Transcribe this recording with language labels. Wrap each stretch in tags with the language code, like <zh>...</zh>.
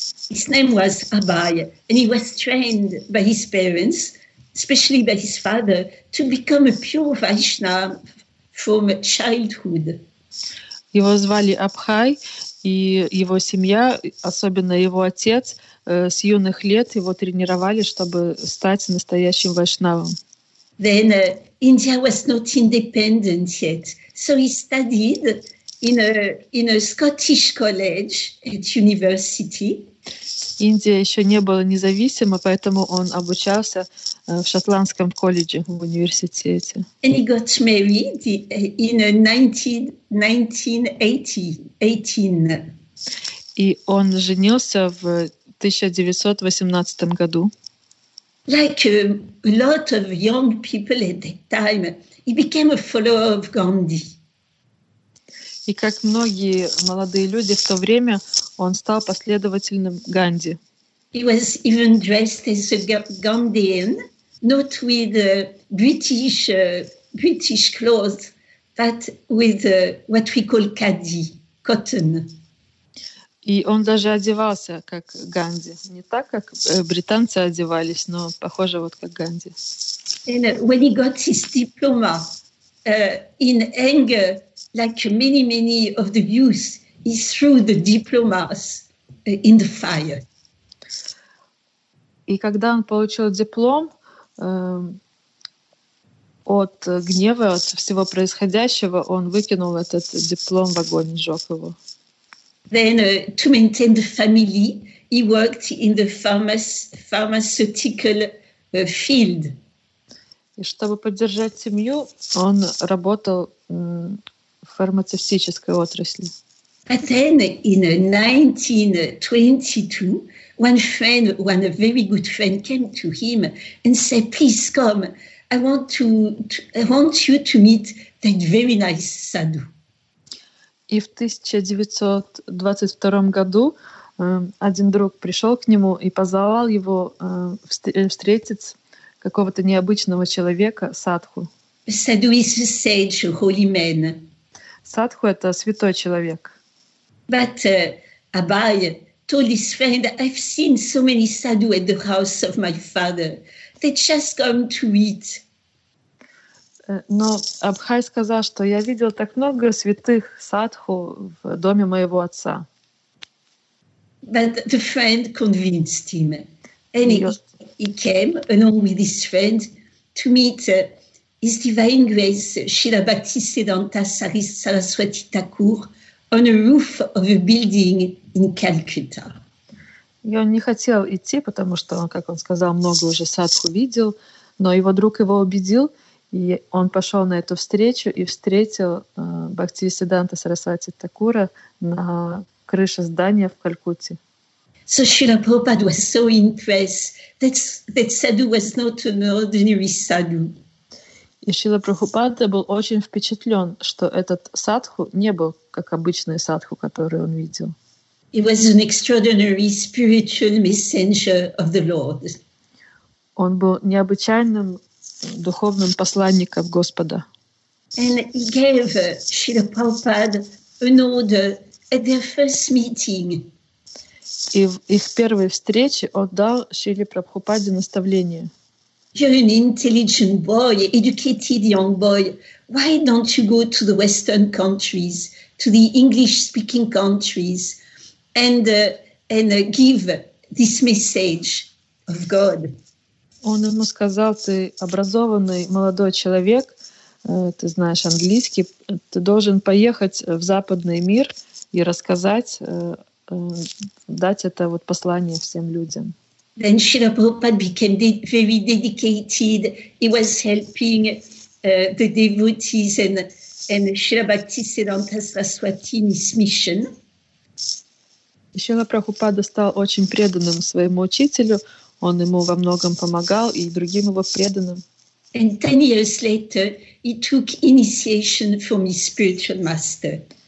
<en>His name was Abhaya, and he was trained by his parents, especially by his father, to become a pure Vaishnav from childhood.</en> <ru>Его звали Абхай, и его семья, особенно его отец, с юных лет его тренировали, чтобы стать настоящим вайшнавом.</ru> <en>Then India was not independent yet, so he studied in a Scottish college at university.</en> <ru>Индия еще не была независима, поэтому он обучался в шотландском колледже, в университете.</ru> <en>And he got married in 1918.</en> <ru>И он женился в 1918 году.</ru> <en>Like a lot of young people at that time, he became a follower of Gandhi.</en> <ru>И как многие молодые люди в то время, он стал последователем Ганди.</ru> <en>He was even dressed as a Gandhian, not with British clothes, but with what we call khadi, cotton.</en> <ru>И он даже одевался как Ганди, не так как британцы одевались, но похоже вот как Ганди.</ru> <en>And when he got his diploma, in anger, like many of the youth, he threw the diplomas in the fire.</en> <ru>И когда он получил диплом, от гнева, от всего происходящего, он выкинул этот диплом в огонь, сжег его.</ru> <en>Then to maintain the family, he worked in the pharmaceutical field.</en> <ru>И чтобы поддержать семью, он работал в фармацевтической отрасли.</ru> <en>But then in 1922, one very good friend came to him and said, please come, I want you to meet that very nice sadhu.</en> <ru>И в 1922 году один друг пришел к нему и позвал его встретиться какого-то необычного человека, садху.</ru> <en>Sadhu is a sage, a holy man.</en> <ru>Садху — это святой человек.</ru> <en>But Abai told his friend, I've seen so many sadhu at the house of my father. They just come to eat.</en> <ru>Но Абхай сказал, что я видел так много святых садху в доме моего отца.</ru> <en>But the friend convinced him. And he came along with his friend to meet his divine grace, Srila Bhaktisiddhanta Saraswati Thakur, on the roof of a building in Calcutta.</en> <ru>И он не хотел идти, потому что, как он сказал, много уже садху видел, но его друг его убедил, и он пошел на эту встречу и встретил Бхактисиддханта Сарасвати Такура на крыше здания в Калькутте.</ru> <en>So Srila Prabhupada was so impressed that sadhu was not an ordinary sadhu.</en> <ru>И Шрила Прабхупада был очень впечатлен, что этот садху не был как обычный садху, который он видел.</ru> <en>He was an extraordinary spiritual messenger of the Lord.</en> <ru>Он был необычайным духовным посланником Господа.</ru> <en>And he gave Srila Prabhupada an order at their first meeting.</en> <ru>И в их первой встрече он дал Шриле Прабхупаде наставление.</ru> <en>You're an intelligent boy, educated young boy. Why don't you go to the Western countries, to the English-speaking countries, and give this message of God?</en> <ru>Он ему сказал, ты образованный молодой человек, ты знаешь английский, ты должен поехать в западный мир и рассказать, дать это вот послание всем людям.</ru> <en>Then Srila Prabhupada became very dedicated. He was helping the devotees and Srila Bhaktisiddhanta Saraswati in his mission.</en> <ru>Srila Prabhupada стал очень преданным своему учителю. Он ему во многом помогал и другим его преданным.</ru> <en>And 10 years later, he took initiation from his spiritual master.</en>